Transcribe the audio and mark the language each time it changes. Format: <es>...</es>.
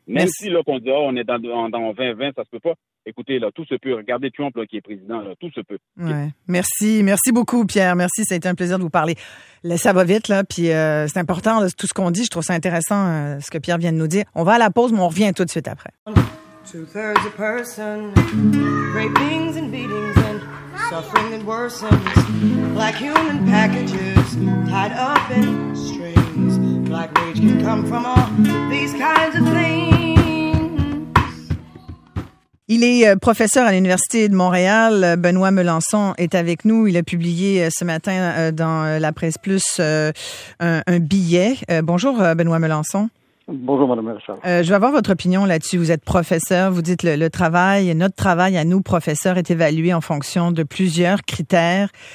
<fr>Même si là qu'on dit oh, on est dans 2020, ça se peut pas. Écoutez, là, tout se peut. Regardez Trump là, qui est président, là, tout se peut. Ouais. Merci. Merci beaucoup, Pierre. Merci. Ça a été un plaisir de vous parler. Là, ça va vite, là. Puis c'est important là, tout ce qu'on dit. Je trouve ça intéressant ce que Pierre vient de nous dire. On va à la pause, mais on revient tout de suite après.</fr> <en>Two-thirds a person, rapings and beatings and suffering that worsens. Black human packages tied up in strings. Black rage can come from all these kinds of things.</en> <fr>Il est professeur à l'Université de Montréal. Benoît Melançon est avec nous. Il a publié ce matin dans la Presse Plus un billet. Bonjour, Benoît Melançon. Bonjour, Madame Richard. Je veux avoir votre opinion là-dessus. Vous êtes professeur. Vous dites notre travail à nous, professeurs, est évalué en fonction de plusieurs critères.</fr>